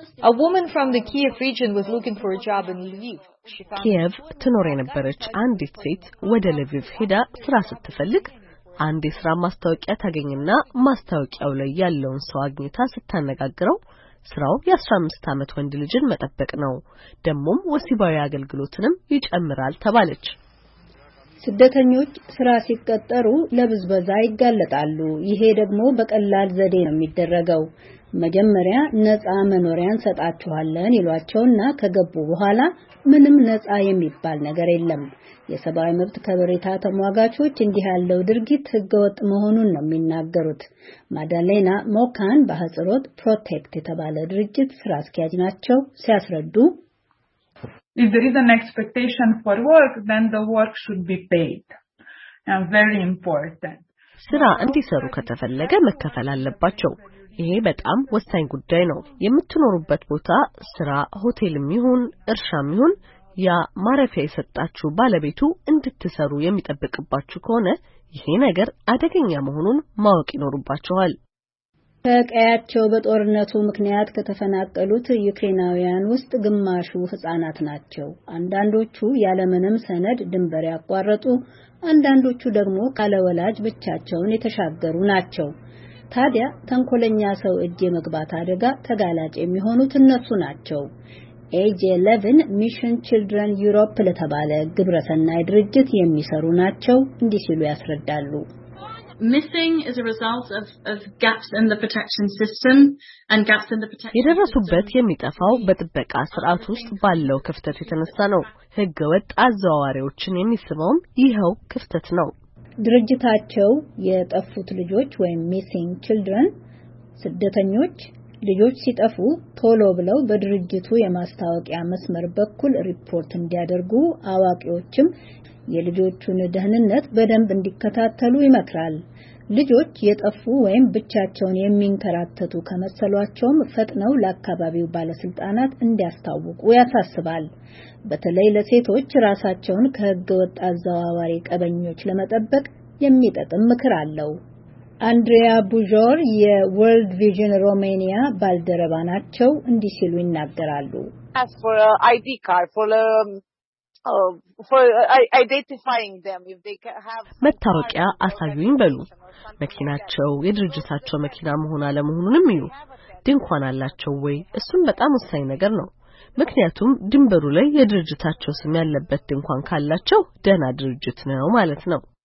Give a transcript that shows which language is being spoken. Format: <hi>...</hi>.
<en>A woman from the Kiev region was looking for a job in Lviv.</en> <am>Kiev ትኖር የነበረች አንዲት ሴት ወደ ልቪቭ ሄዳ ስራ ስትፈልግ አንድ ስራ ማስተዋቂያ ታገኝና ማስተዋቂያው ላይ ያለውን ሰው አግኝታ ስታነጋግረው ስራው የ15 አመት ወንድ ልጅን መጠበቅ ነው። ደሞም ወሲባዊ አገልግሎትንም ይጨምራል ተባለች። ስደተኞች ስራ ሲቀጠሩ ለብዝበዛ ይጋለጣሉ። ይሄ ደግሞ በቀላል ዘዴ ነው የሚደረገው። መጀመሪያ ነፃ መኖሪያን ሰጣቸዋለን ይሏቸውና ከገቡ በኋላ ምንም ነፃ የሚባል ነገር የለም። የሰብአዊ መብት ከበሬታ ተሟጋቾች እንዲህ ያለው ድርጊት ህገወጥ መሆኑን ነው የሚናገሩት። ማዳሌና ሞካን በሐጽሮት ፕሮቴክት የተባለ ድርጅት ስራ አስኪያጅ ናቸው። ሲያስረዱ</am> <en>If there is an expectation for work, then the work should be paid. And very important.</en> <am>ስራ እንዲሰሩ ከተፈለገ መከፈል አለባቸው። ይሄ በጣም ወሳኝ ጉዳይ ነው። የምትኖሩበት ቦታ ስራ ሆቴልም ይሁን እርሻም ይሁን ያ ማረፊያ የሰጣችሁ ባለቤቱ እንድትሰሩ የሚጠብቅባችሁ ከሆነ ይሄ ነገር አደገኛ መሆኑን ማወቅ ይኖርባችኋል። ከቀያቸው በጦርነቱ ምክንያት ከተፈናቀሉት ዩክሬናውያን ውስጥ ግማሹ ህፃናት ናቸው። አንዳንዶቹ ያለምንም ሰነድ ድንበር ያቋረጡ፣ አንዳንዶቹ ደግሞ ካለወላጅ ብቻቸውን የተሻገሩ ናቸው። ታዲያ ተንኮለኛ ሰው እጅ የመግባት አደጋ ተጋላጭ የሚሆኑት እነሱ ናቸው። AJ11 Mission Children Europe ለተባለ ግብረሰናይ ድርጅት የሚሰሩ ናቸው እንዲህ ሲሉ ያስረዳሉ።</am> <en>Missing is a result of gaps in the protection system and gaps in the protection</en> <am>የደረሱበት የሚጠፋው በጥበቃ ስርዓት ውስጥ ባለው ክፍተት የተነሳ ነው። ህገወጥ አዘዋዋሪዎችን የሚስበውም ይኸው ክፍተት ነው። ድርጅታቸው የጠፉት ልጆች ወይም missing children ስደተኞች ልጆች ሲጠፉ ቶሎ ብለው በድርጅቱ የማስተዋቂያ መስመር በኩል ሪፖርት እንዲያደርጉ አዋቂዎችም የልጆቹን ደህንነት በደንብ እንዲከታተሉ ይመክራል። ልጆች የጠፉ ወይም ብቻቸውን የሚንከራተቱ ከመሰሏቸውም ፈጥነው ለአካባቢው ባለስልጣናት እንዲያስታውቁ ያሳስባል። በተለይ ለሴቶች ራሳቸውን ከህገወጥ አዘዋዋሪ ቀበኞች ለመጠበቅ የሚጠቅም ምክር አለው። አንድሪያ ቡጆር የወርልድ ቪዥን ሮሜኒያ ባልደረባ ናቸው እንዲህ ሲሉ ይናገራሉ።</am> <en>As for a ID card for identifying them if they have</en> <am>መታወቂያ አሳዩኝ በሉ። መኪናቸው የድርጅታቸው መኪና መሆን አለመሆኑንም ይዩ። ድንኳን አላቸው ወይ? እሱም በጣም ወሳኝ ነገር ነው። ምክንያቱም ድንበሩ ላይ የድርጅታቸው ስም ያለበት ድንኳን ካላቸው ደህና ድርጅት ነው ማለት ነው።</am>